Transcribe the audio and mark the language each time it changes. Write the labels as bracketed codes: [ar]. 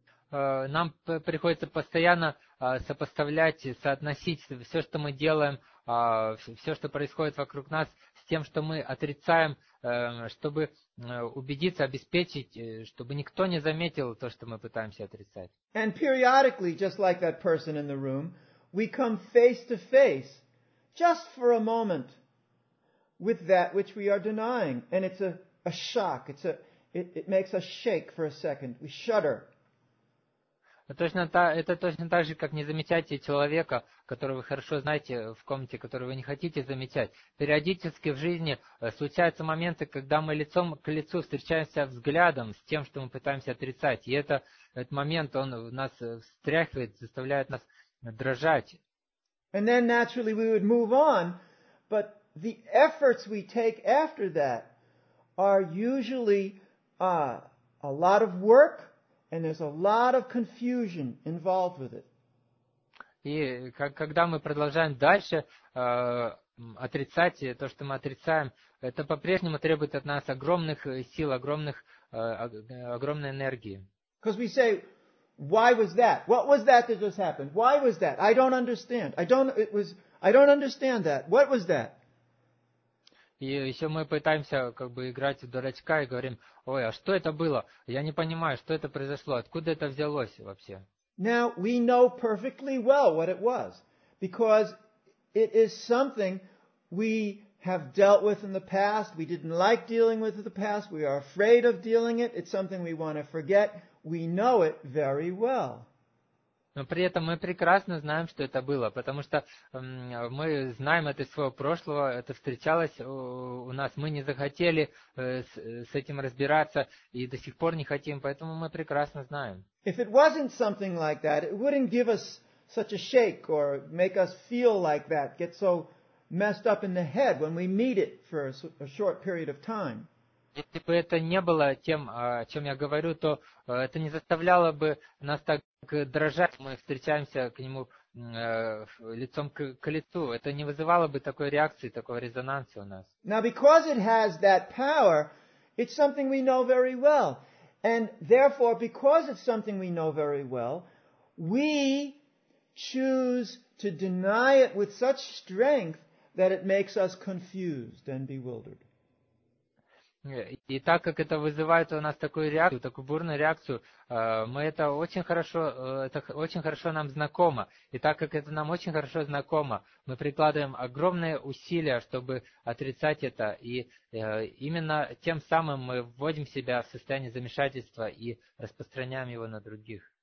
[ru] Нам приходится постоянно сопоставлять, соотносить все, что мы делаем, все, что происходит вокруг нас, с тем, что мы отрицаем, чтобы убедиться, обеспечить, чтобы никто не заметил то, что мы пытаемся отрицать. [en] And periodically, just like that person in the room, we come face to face, just for a moment, with that which we are denying. And it's a shock. It makes us shake for a second. We shudder. [ru] Это точно так же, как не замечать человека, которого вы хорошо знаете в комнате, которого вы не хотите замечать. Периодически в жизни случаются моменты, когда мы лицом к лицу встречаемся взглядом с тем, что мы пытаемся отрицать. И этот момент, он нас встряхивает, заставляет нас дрожать. [en] And then naturally we would move on, but the efforts we take after that are usually a lot of work, and there's a lot of confusion involved with it. [ru] И когда мы продолжаем дальше отрицать то, что мы отрицаем, это по-прежнему требует от нас огромных сил, огромной энергии. [en] Because we say, why was that? What was that that just happened? Why was that? I don't understand. I don't understand that. What was that? [ru] И еще мы пытаемся как бы играть в дурачка и говорим, ой, а что это было? Я не понимаю, что это произошло, откуда это взялось вообще? [en] Now we know perfectly well what it was, because it is something we have dealt with in the past, we didn't like dealing with in the past, we are afraid of dealing it, it's something we want to forget, we know it very well. [ru] Но при этом мы прекрасно знаем, что это было, потому что мы знаем это из своего прошлого, это встречалось у нас, мы не захотели с этим разбираться и до сих пор не хотим, поэтому мы прекрасно знаем. [en] If it wasn't something like that, it wouldn't give us such a shake or make us feel like that, get so messed up in the head when we meet it for a short period of time. [ru] Если бы это не было тем, о чем я говорю, то это не заставляло бы нас так дрожать. Мы встречаемся к нему лицом к лицу. Это не вызывало бы такой реакции, такого резонанса у нас. [en] Now, because it has that power, it's something we know very well. And therefore, because it's something we know very well, we choose to deny it with such strength that it makes us confused and bewildered. [ru] И так как это вызывает у нас такую реакцию, такую бурную реакцию, мы это очень хорошо нам знакомо. И так как это нам очень хорошо знакомо, мы прикладываем огромные усилия, чтобы отрицать это. И именно тем самым мы вводим себя в состояние замешательства и распространяем его на других.